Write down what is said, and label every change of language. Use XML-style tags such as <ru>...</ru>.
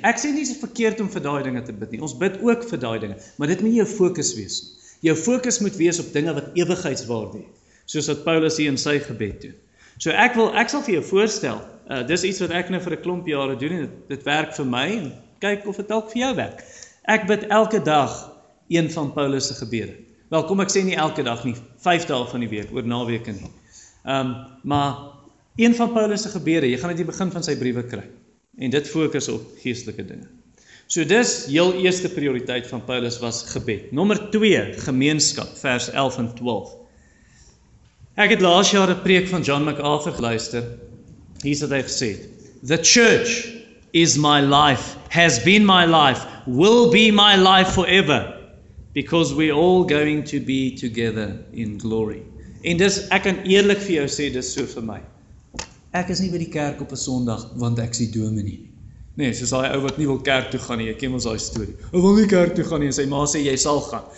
<af>Ek sê nie so verkeerd om vir daai dinge te bid nie. Ons bid ook vir daai dinge, maar dit moet jou fokus wees. Jou fokus moet wees op dinge wat ewigheidswaarde het, soos wat Paulus hier in sy gebed doen. So ek sal vir jou voorstel, dis iets wat ek nou vir 'n klomp jare doen en dit werk vir my en kyk of dit dalk vir jou werk. Ek bid elke dag een van Paulus' gebede. Wel, kom ek sê nie elke dag nie, vyf dae van die week, oor naweke nie. Maar, een van Paulus' gebede, jy gaan uit die begin van sy briewe kry, en dit fokus op geestelike dinge. So dis, heel eerste prioriteit van Paulus was gebed. Nommer 2, gemeenskap, vers 11 en 12. Ek het laas jaar 'n preek van John MacArthur geluister, hier is wat hy gesê het,</af> <en>The church is my life, has been my life, will be my life forever. Because we're all going to be together in glory.</en> <af>En dis, ek kan eerlik vir jou sê, dis so vir my. Ek is nie by die kerk op 'n Sondag, want ek sien dominee. Nee, soos hy ou wat nie wil kerk toe gaan nie, jy ken ons daai story. Ek wil nie kerk toe gaan nie, en sy ma sê, jy sal gaan.</af>